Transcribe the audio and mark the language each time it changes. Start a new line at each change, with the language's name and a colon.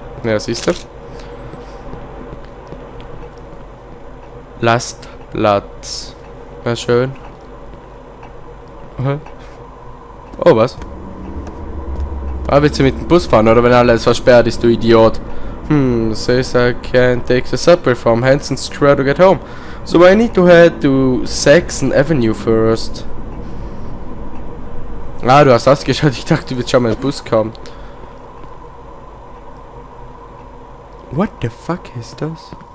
German: Ja, siehst du. Lastplatz. Na schön. Oh, was? Ah, willst du mit dem Bus fahren, oder wenn alles versperrt ist, du Idiot?
English: Hm, says I can't take the subway from Hanson Square to get home. So I need to head to Saxon Avenue first.
German: Ah, du hast das geschaut, ich dachte, du willst schon mal mit dem Bus kommen.
English: What the fuck is this?